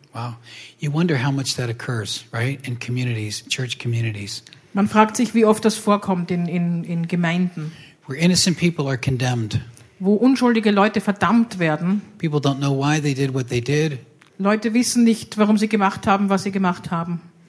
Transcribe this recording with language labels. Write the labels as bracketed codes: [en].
[en] Wow. You wonder how much that occurs, right? In communities, church communities. [de] Man fragt sich, wie oft das vorkommt in Gemeinden. [en] Where innocent people are condemned. [de] Wo unschuldige Leute verdammt werden. [en] People don't know why they did what they did. [de] Leute wissen nicht, warum sie gemacht haben, was sie gemacht haben.